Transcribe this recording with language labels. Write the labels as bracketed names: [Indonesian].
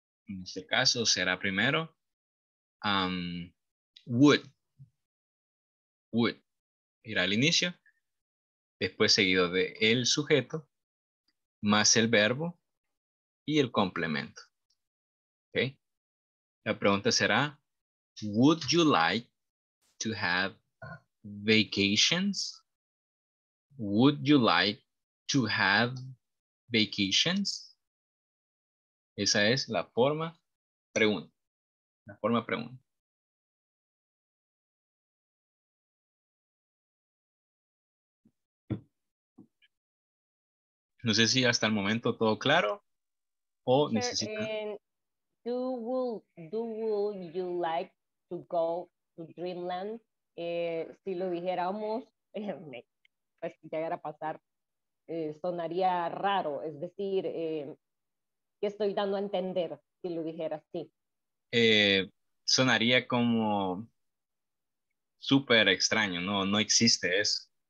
[Spanish] En este caso será primero would. Would. Irá al inicio. Después seguido de el sujeto, más el verbo y el complemento. Okay. La pregunta será, [English] would you like to have vacations? Would you like to have vacations? [Spanish] Esa es la forma pregunta. La forma pregunta. No sé si hasta el momento todo claro o sure, necesita. [English] Do will you like to go to Dreamland? [Spanish] Si lo dijéramos, pues llegara a pasar, sonaría raro. Es decir, ¿qué estoy dando a entender si lo dijera así? Sonaría como súper extraño, no existe eso.